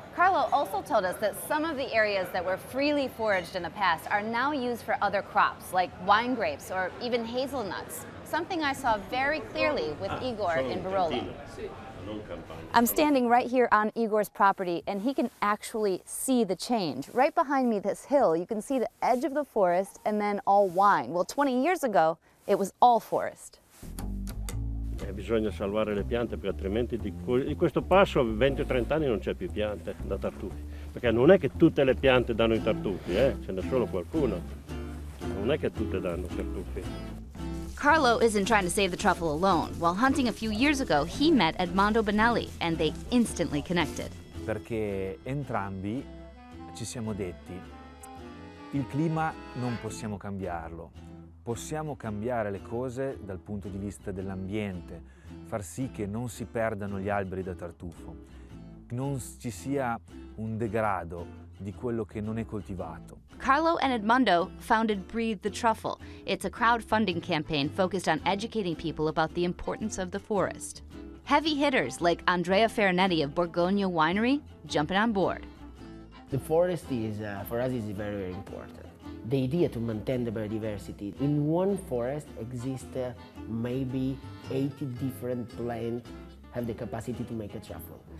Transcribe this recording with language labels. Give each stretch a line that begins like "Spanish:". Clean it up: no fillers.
English: Carlo also told us that some of the areas that were freely foraged in the past are now used for other crops, like wine grapes or even hazelnuts, something I saw very clearly with Igor in Barolo. I'm standing right here on Igor's property, and he can actually see the change. Right behind me, this hill, you can see the edge of the forest and then all wine. Well, 20 years ago, it was all forest.
Italian: Bisogna salvare le piante, perché altrimenti di questo passo 20 o 30 anni non c'è più piante da tartufi. Perché non è che tutte le piante danno i tartufi, ce n'è solo qualcuna. Non è che tutte danno tartufi.
English: Carlo isn't trying to save the truffle alone. While hunting a few years ago, he met Edmondo Benelli and they instantly connected.
Italian: Perché entrambi ci siamo detti, il clima non possiamo cambiarlo. Possiamo cambiare le cose dal punto di vista dell'ambiente, far sì che non si perdano gli alberi da tartufo, non ci sia un degrado di quello che non è coltivato.
English: Carlo and Edmondo founded Breathe the Truffle. It's a crowdfunding campaign focused on educating people about the importance of the forest. Heavy hitters like Andrea Farinetti of Borgogna Winery jumping on board. The forest is, for us, is very, very important. The idea to maintain the biodiversity. In one forest exist maybe 80 different plants have the capacity to make a truffle.